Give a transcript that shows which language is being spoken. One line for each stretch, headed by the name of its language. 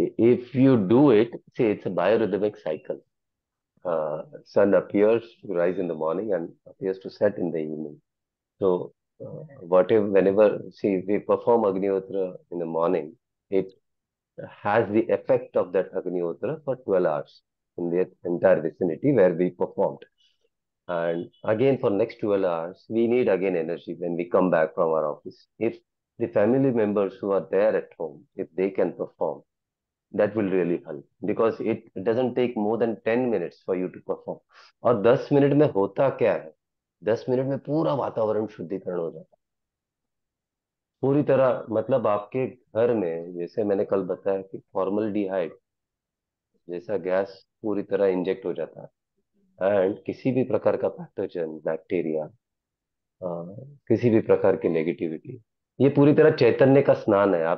English: If you do it, see it's a biorhythmic cycle, sun appears to rise in the morning and appears to set in the evening, so whatever whenever see we perform Agnihotra in the morning it has the effect of that Agnihotra for 12 hours in the entire vicinity where we performed, and again for next 12 hours we need again energy when we come back from our office. If The family members who are there at home, if they can perform, that will really help because it doesn't take more than 10 minutes for you to perform.
Hindi: और 10 minute में होता क्या है? 10 minute में पूरा वातावरण शुद्धिकरण हो जाता है, पूरी तरह, मतलब आपके घर में जैसे मैंने कल बताया कि फॉर्मल्डिहाइड जैसा गैस पूरी तरह इंजेक्ट हो जाता है, एंड किसी भी प्रकार का पैथोजन, बैक्टीरिया, किसी भी प्रकार की नेगेटिविटी, ये पूरी तरह चैतन्य का स्नान है।